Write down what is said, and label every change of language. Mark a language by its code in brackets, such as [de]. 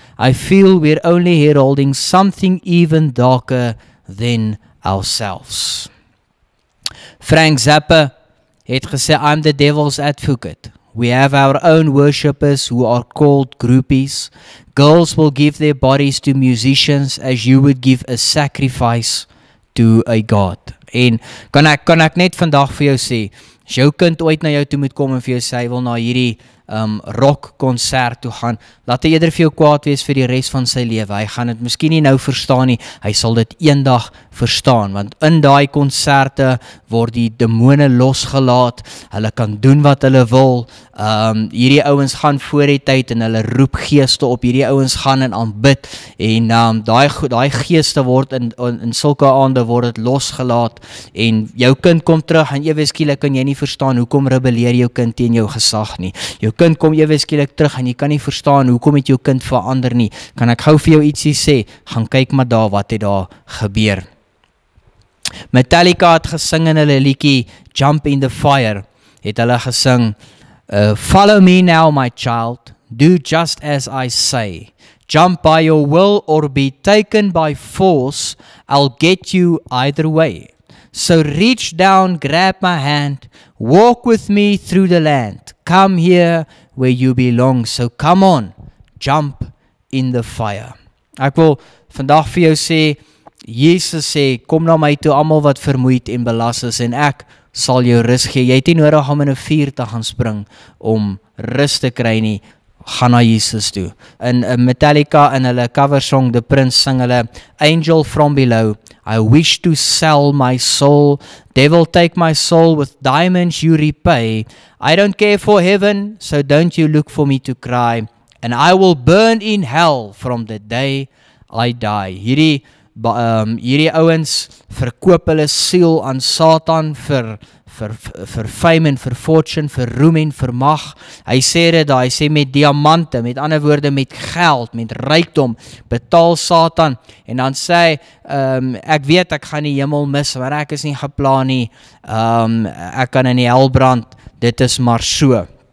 [en] I feel we're only heralding something even darker than ourselves. [af] Frank Zappa het gesê, [en] I'm the devil's advocate. We have our own worshippers who are called groupies. Girls will give their bodies to musicians as you would give a sacrifice to a God. [af] En kan ek net vandag vir jou sê, as jou kind ooit na jou toe moet kom en vir jou sê, hy wil na hierdie rock konsert toe gaan, laat hy eerder vir jou kwaad wees vir die res van sy lewe. Hy gaan dit miskien nie nou verstaan nie, hy sal dit eendag verstaan, want in daai konserte word die demone losgelaat, hulle kan doen wat hulle wil, hierdie ouens gaan voor die tyd en hulle roep geeste op, hierdie ouens gaan en aanbid, en daai geeste word in sulke aande word het losgelaat, en jou kind kom terug en ewe skielik kan jy nie verstaan hoekom rebelleer jou kind teen jou gesag nie. Jou kind kom ewe skielik terug en jy kan nie verstaan hoekom het jou kind verander nie. Kan ek gou vir jou ietsie sê, gaan kyk maar daar wat het daar gebeur. [en] Metallica [af] het gesing in hulle liedjie [en] Jump in the Fire, [af] het hulle gesing, [en] follow me now my child, do just as I say, jump by your will or be taken by force, I'll get you either way, so reach down, grab my hand, walk with me through the land, come here where you belong, so come on, jump in the fire. [af] Ek wil vandag vir jou sê, Jesus sê, kom na my toe almal wat vermoeid en belas is en ek sal jou rus gee. Jy het nie nodig om in 'n vuur te gaan spring om rus te kry nie. Gaan na Jesus toe. In Metallica, in hulle coversong The Prince, sing hulle [en] Angel from Below, I wish to sell my soul, devil take my soul, with diamonds you repay, I don't care for heaven, so don't you look for me to cry, and I will burn in hell from the day I die. [af] Hierdie ouens verkoop hulle siel aan Satan vir fame en vir fortune, vir roem en vir mag. Hy sê dit daar, hy sê met diamante, met ander woorde met geld, met rykdom, betaal Satan. En dan sê hy, ek weet ek gaan die hemel mis, maar ek is nie geplan nie, ek kan in die hel brand, dit is maar so.